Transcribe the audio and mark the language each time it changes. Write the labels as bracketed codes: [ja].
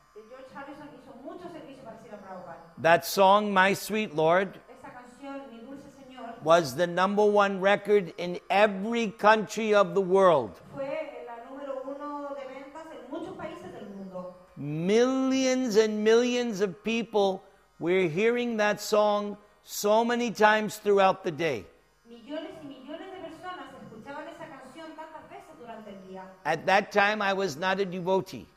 [es] George Harrison hizo mucho servicio para Srila Prabhupada. [en] That song, My Sweet Lord, [es] esa canción, Mi Dulce Señor, [en] was the number one record in every country of the world. [es] Fue la número uno de ventas en muchos países del mundo. [en] millions and millions of people, we're hearing that song so many times throughout the day. [es] Millones y millones de personas escuchaban esa canción tantas veces durante el día. [en] At that time, I was not a devotee.